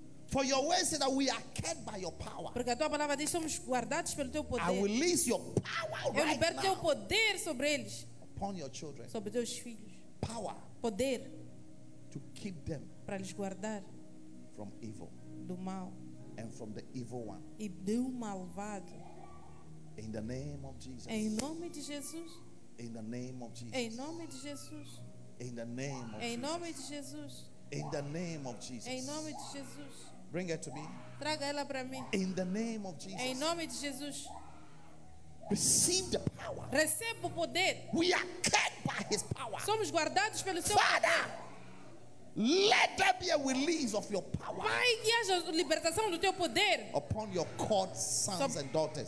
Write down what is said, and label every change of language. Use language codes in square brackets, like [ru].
[en] For your word says that we are kept by your power. [pt] Porque a tua palavra diz que somos guardados pelo teu poder. [en] I release your power right now. [pt] Eu liberto teu poder sobre eles. [en] Upon your children. [pt] Sobre teus filhos. [en] Power. [pt] Poder. [en] To keep them. [pt] Para lhes guardar. [en] From evil. [pt] Do mal. [en] And from the evil one. [pt] E do malvado. [en] In the name of Jesus. [pt] Em nome de Jesus. [en] In the name of Jesus. [pt] Em nome de Jesus. [en] In the name of [pt] Jesus. Em nome de Jesus. [en] In the name of Jesus. [pt] Em nome de Jesus. [en] Bring her to me. [pt] Traga ela para mim. [en] In the name of Jesus. [pt] Em nome de Jesus. [en] Receive the power. [pt] Receba o poder. [en] We are kept by his power. [pt] Somos guardados pelo [en] Father, [pt] seu poder. [en] Let there be a release of your power. [pt] Pai, que haja libertação do teu poder. [en] Upon your court sons and daughters.